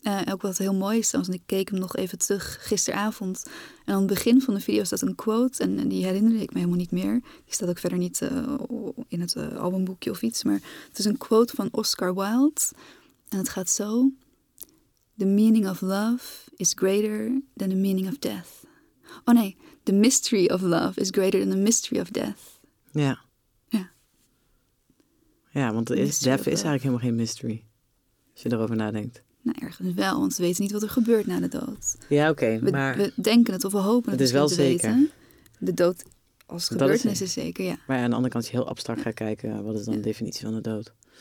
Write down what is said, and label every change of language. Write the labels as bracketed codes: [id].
[nl] Ook wat heel mooi is, trouwens, en ik keek hem nog even terug gisteravond. En aan het begin van de video staat een quote en die herinner ik me helemaal niet meer. Die staat ook verder niet in het albumboekje of iets. Maar het is een quote van Oscar Wilde en het gaat zo. [en] The meaning of love is greater than the meaning of death. [nl] Oh nee, [en] the mystery of love is greater than the mystery of death. [nl] Ja. Ja, want death is eigenlijk helemaal geen mystery, als je erover nadenkt. Nou, ergens wel, want we weten niet wat er gebeurt na de dood. Ja, oké, okay, maar... We denken het of we hopen het is wel zeker. Weten. De dood als gebeurtenis is zeker, ja. Maar ja, aan de andere kant, als je heel abstract gaat kijken, wat is dan de definitie van de dood?